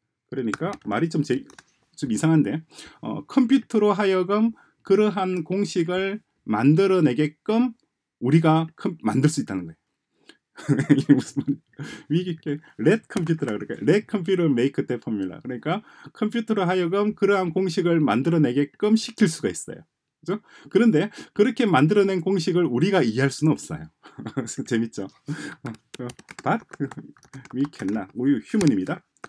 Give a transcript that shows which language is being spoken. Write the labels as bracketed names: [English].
[Korean] 그러니까 말이 좀 이상한데, 컴퓨터로 하여금 그러한 공식을 만들어내게끔 우리가 만들 수 있다는 거예요. 이게 무슨 말이야? 이게 let computer라 그러니까 [English] let computer make that formula. [Korean] 그러니까 컴퓨터로 하여금 그러한 공식을 만들어내게끔 시킬 수가 있어요. 그죠? 그런데 그렇게 만들어낸 공식을 우리가 이해할 수는 없어요. 재밌죠? [English] But we cannot. [Korean] 우리 human입니다.